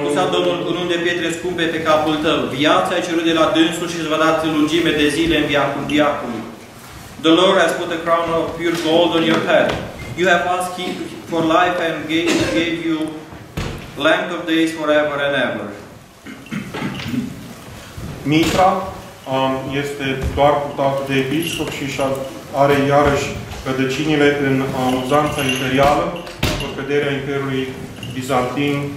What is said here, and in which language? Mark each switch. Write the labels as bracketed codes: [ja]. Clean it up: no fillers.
[ro] Domnul curând de pietre scumpe pe capul tău, viața ai cerut de la dânsul și îți va da lungime de zile în viacul viacului. [en] The Lord has put a crown of pure gold on your head. You have asked him for life and gave you length of days forever and ever. [ro] Mitra este doar purtată de episcop și are iarăși rădăcinile în uzanța imperială, după căderea Imperiului Bizantin.